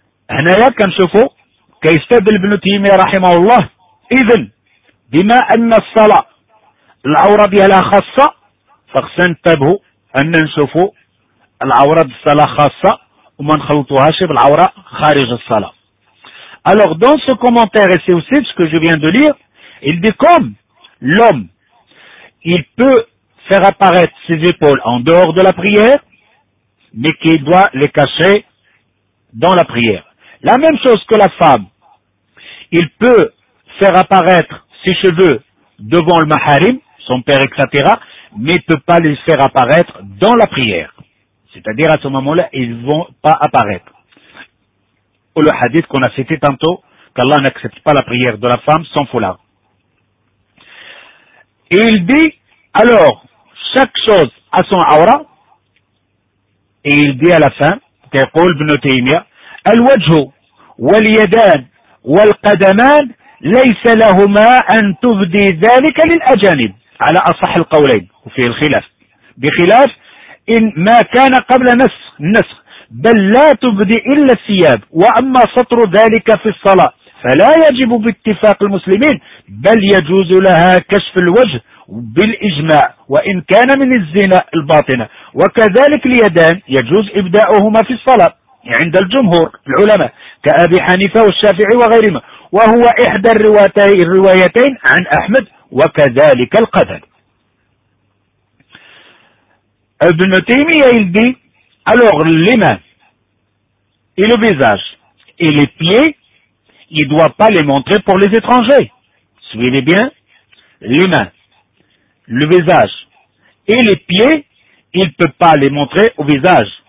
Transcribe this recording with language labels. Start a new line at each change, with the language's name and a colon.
Arabic: هنا كنشوفوا كيستدل ابن تيمية رحمه الله إذن بما أن الصلاة العورة بها لا خاصة فخصنا ننتبه أن نشوفوا العورة بالصلاة خاصة وما نخلطوهاش بالعورة خارج الصلاة.
French: Alors dans ce commentaire et c'est aussi ce que je viens de lire, il dit comme l'homme il peut faire apparaître ses épaules en dehors de la prière mais qu'il doit les cacher dans la prière. La même chose que la femme, il peut faire apparaître ses cheveux devant le maharim, son père, etc., mais il ne peut pas les faire apparaître dans la prière. C'est-à-dire, à ce moment-là, ils ne vont pas apparaître. Ou le hadith qu'on a cité tantôt, qu'Allah n'accepte pas la prière de la femme sans foulard. Et il dit, alors, chaque chose a son aura, et il dit à la fin, qu'il y a une autre
Arabic: الوجه واليدان والقدمان ليس لهما أن تبدي ذلك للأجانب على أصح القولين وفي الخلاف بخلاف إن ما كان قبل نسخ بل لا تبدي إلا الثياب وأما سطر ذلك في الصلاة فلا يجب باتفاق المسلمين بل يجوز لها كشف الوجه بالإجماع وإن كان من الزنا الباطنة وكذلك اليدان يجوز إبداؤهما في الصلاة عند الجمهور العلماء كأبي حنيفة والشافعي وغيرهما وهو إحدى الروايتين عن أحمد وكذلك القدم.
French: ابن تيمية il dit alors les mains et le visage et les pieds il ne doit pas les montrer pour les étrangers. Suivez bien, les mains, le visage et les pieds il ne peut pas les montrer au visage.